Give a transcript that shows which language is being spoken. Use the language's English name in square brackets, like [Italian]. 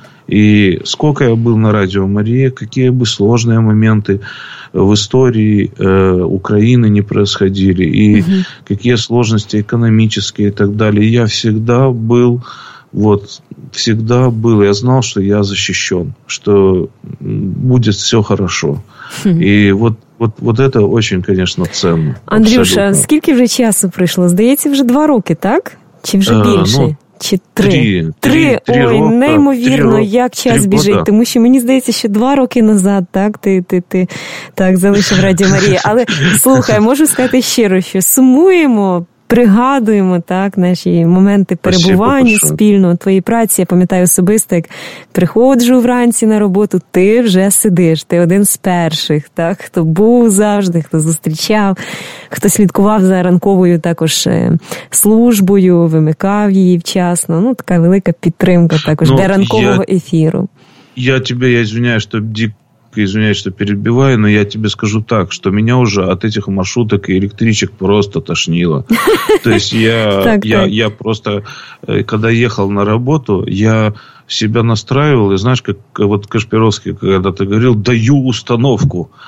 [Russian] И сколько я был на Радио Мария, какие бы сложные моменты в истории Украины не происходили, и какие сложности экономические и так далее, я всегда был, вот, всегда был, я знал, что я защищен, что будет все хорошо. И вот это очень, конечно, ценно. [Ukrainian] Андрюша, абсолютно. Скільки вже часу пройшло? Здається, вже 2 роки, так? Чи вже більше? Чи три? Ой, неймовірно, як час біжить. Тому що мені здається, що 2 роки назад, так, ти так залишив Радіо Марія. Але слухай, можу сказати щиро, що сумуємо, пригадуємо, так, наші моменти перебування спільно, твої праці. Я пам'ятаю особисто, як приходжу вранці на роботу, ти вже сидиш, ти один з перших, так, хто був завжди, хто зустрічав, хто слідкував за ранковою також службою, вимикав її вчасно. Ну, така велика підтримка також для ранкового ефіру. [Russian] Я тебе, [Ukrainian] я звиняю, [Russian] що извиняюсь, что перебиваю, но я тебе скажу так, что меня уже от этих маршруток и электричек просто тошнило. То есть я просто, когда ехал на работу, я себя настраивал, и знаешь, как вот Кашпировский когда-то говорил, даю установку.